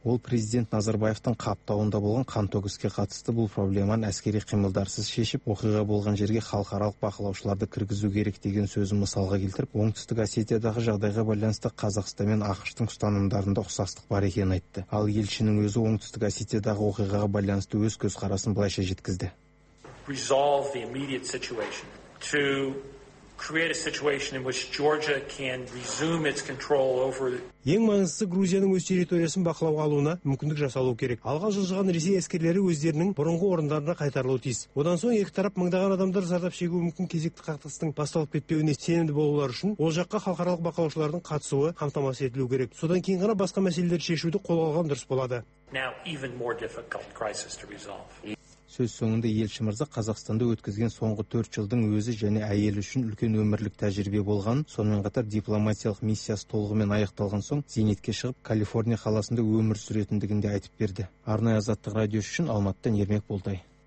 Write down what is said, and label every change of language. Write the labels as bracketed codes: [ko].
[kk] Ол президент Назарбаевтың қаптауында болған қантөгіске қатысты бұл проблеманы әскери қимылдарсыз шешіп, оқиға болған жерге халықаралық бақылаушыларды кіргізу керек деген сөзін мысалға келтіріп, оңтүстік Осетиядағы жағдайға байланысты Қазақстан мен ақштың ұстанымдарында ұқсастық бар екенін айтты. Ал елшінің өзі оңтүстік Осетиядағы оқиға байланысты өз көз қарасын былайша жеткізді. [en] Resolve the immediate situation to create a situation in which Georgia can resume its control over. [kk] Ең маңыздысы Грузияның өз территориясын бақылауға алуына мүмкіндік жасалу керек. Алға жылжыған Ресей әскерлері өздерінің бұрынғы орындарына қайтарылуы тиіс. Одан соң екі тарап мыңдаған адамдар зардап шегуі мүмкін кезекті қақтығыстың басталып кетпеуіне сенімді болулары үшін ол жаққа халықаралық бақылаушылардың қатысуы қамтамасыз етілуі керек. Содан кейін ғана басқа мәселелерді шешуді қолға алған дұрыс болады. [en] Now even more difficult crisis to resolve. [kk] Сөз соңында елші мырза Қазақстанда өткізген соңғы 4 жылдың өзі және әйелі үшін үлкен өмірлік тәжірибе болғанын, сонымен қатар дипломатиялық миссиясы толығымен аяқталған соң зейнетке шығып Калифорния қаласында өмір сүретіндігін де айтып берді. Арнай Азаттық радио үшін Алматыдан Ермек Болтай.